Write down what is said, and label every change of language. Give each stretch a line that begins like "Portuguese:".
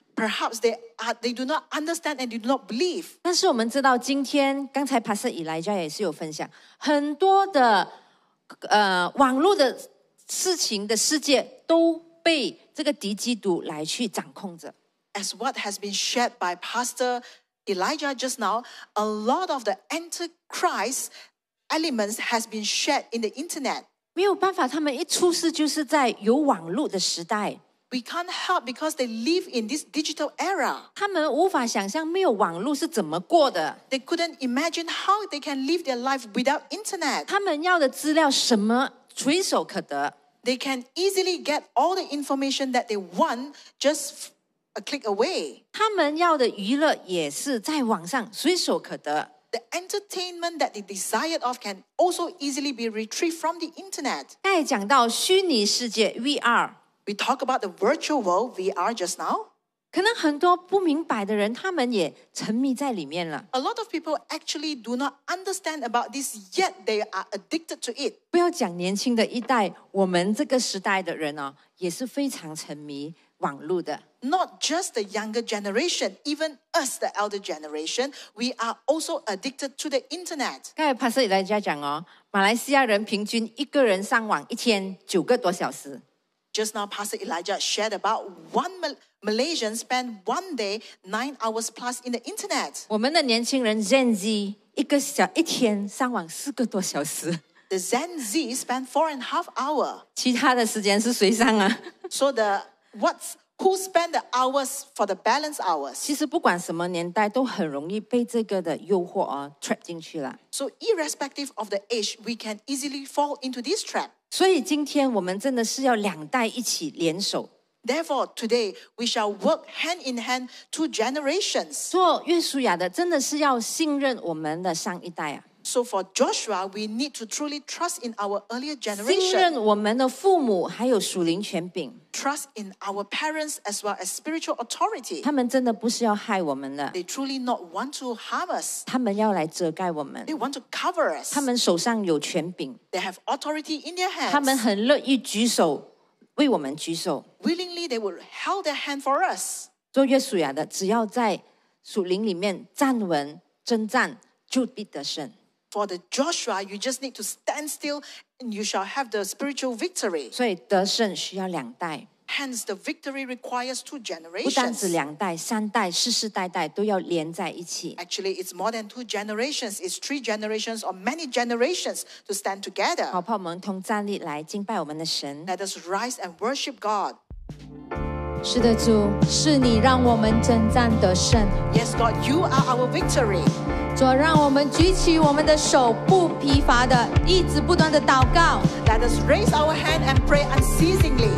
English: Perhaps they do not understand and do not believe.
Chinese: 但是我们知道，今天刚才 Pastor Elijah 也是有分享，很多的网络的事情的世界都被这个敌基督来去掌控着。
English: As what has been shared by Pastor Elijah just now, a lot of the antichrist elements has been shared in the internet.
Chinese: 没有办法，他们一出世就是在有网络的时代。
English: We can't help because they live in this digital era.
Chinese: 他们无法想象没有网络是怎么过的。
English: They couldn't imagine how they can live their life without internet.
Chinese: 他们要的资料什么随手可得。
English: They can easily get all the information that they want just A click away.
Chinese: 他们要的娱乐也是在网上随手可得。
English: The entertainment that they desired of can also easily be retrieved from the internet.
Chinese: 刚才讲到虚拟世界 VR.
English: We talk about the virtual world, VR, just now.
Chinese: 可能很多不明白的人，他们也沉迷在里面了。
English: A lot of people actually do not understand about this, yet they are addicted to it.
Chinese: 不要讲年轻的一代，我们这个时代的人哦，也是非常沉迷网络的。
English: Not just the younger generation, even us, the elder generation, we are also addicted to the internet.
Chinese: 刚才 Pastor 也在讲哦，马来西亚人平均一个人上网一天九个多小时。
English: Just now, Pastor Elijah shared about one Malaysian spend one day 9 hours plus in the internet.
Chinese: 我们的年轻人 Gen Z 一天上网四个多小时。
English: The Gen Z spend 4.5 hours.
Chinese: 其他的时间是谁上啊？
English: So the who spend the hours for the balance hours?
Chinese: 其实不管什么年代，都很容易被这个的诱惑而 trap 进去了。
English: So irrespective of the age, we can easily fall into this trap.
Chinese: 所以今天我们真的是要两代一起联手。
English: Therefore, today we shall work hand in hand two generations.
Chinese: 做约书亚的真的是要信任我们的上一代啊。
English: So for Joshua, we need to truly trust in our earlier generation.
Chinese: 信任我们的父母还有属灵权柄。
English: Trust in our parents as well as spiritual authority.
Chinese: 他们真的不是要害我们的。
English: They truly not want to harm us.
Chinese: 他们要来遮盖我们。
English: They want to cover us.
Chinese: 他们手上有权柄。
English: They have authority in their hands.
Chinese: 他们很乐意举手，为我们举手。
English: Willingly, they will hold their hand for us.
Chinese: 做约书亚的，只要在属灵里面站稳、征战，就必得胜。
English: For the Joshua, you just need to stand still and you shall have the spiritual victory.
Chinese: 所以得胜需要两代。
English: Hence, the victory requires two generations.
Chinese: 不单只两代，三代，世世代代都要连在一起。
English: Actually, it's more than two generations. It's three generations or many generations to stand together.
Chinese: 好，我们同站立来敬拜我们的神。
English: Let us rise and worship God.
Chinese: 是的，主，是你让我们征战得胜。
English: Yes, God, you are our victory.
Chinese: 主，让我们举起我们的手，不疲乏的，一直不断的祷告。
English: Let us raise our hand and pray unceasingly.